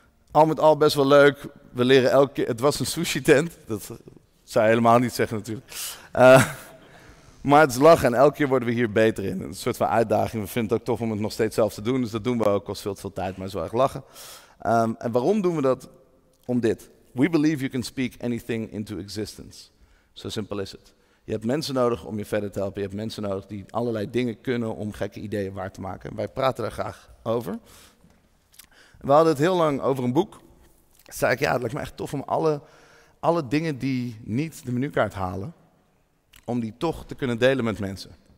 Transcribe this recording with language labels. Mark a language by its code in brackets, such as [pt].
[nl] Al met al best wel leuk. We leren elke keer. Het was een sushi tent. Dat zou je helemaal niet zeggen natuurlijk. Maar het is lachen en elke keer worden we hier beter in. Een soort van uitdaging. We vinden het ook tof om het nog steeds zelf te doen. Dus dat doen we ook. Kost veel te veel tijd, maar zo erg lachen. En waarom doen we dat? Om dit. [en] We believe you can speak anything into existence. [nl] Zo simpel is het. Je hebt mensen nodig om je verder te helpen. Je hebt mensen nodig die allerlei dingen kunnen om gekke ideeën waar te maken. Wij praten daar graag over. We hadden het heel lang over een boek. Toen zei ik, ja, het lijkt me echt tof om alle dingen die niet de menukaart halen, om die toch te kunnen delen met mensen.